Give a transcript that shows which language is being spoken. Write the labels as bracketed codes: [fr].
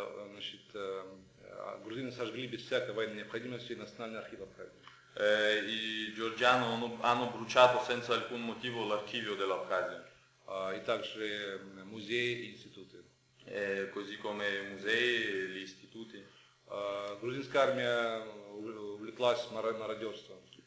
[ru] Значит, грузины сожгли без всякой военной необходимости национальный архив Абхазии. [it] И Джорджиано hanno bruciato senza alcun motivo l'archivio dell'Abkhazia. [ru] И также музеи и институты. [it] Così come musei gli istituti. [ru] Грузинская армия увлеклась мародерством.